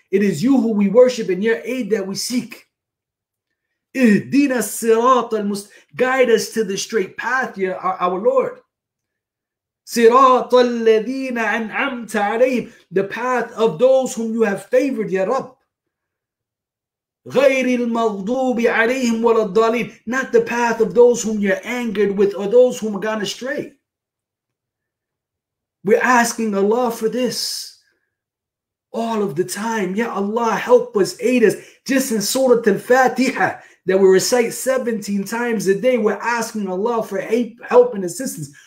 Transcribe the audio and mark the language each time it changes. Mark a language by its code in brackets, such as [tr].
[en] It is you who we worship and your aid that we seek. [ar] إِهْدِينَ الصِّرَاطَ الْمُسْتَقِيمَ. [en] Guide us to the straight path, Ya our Lord. [ar] صراط الذين أنعمت عليهم. [en] The path of those whom you have favored, Ya Rabb. [ar] غير المغضوب عليهم ولا الضالين. [en] Not the path of those whom you're angered with or those whom have gone astray. We're asking Allah for this all of the time. Ya Allah, help us, aid us. Just in Surah Al-Fatiha that we recite 17 times a day, we're asking Allah for help and assistance.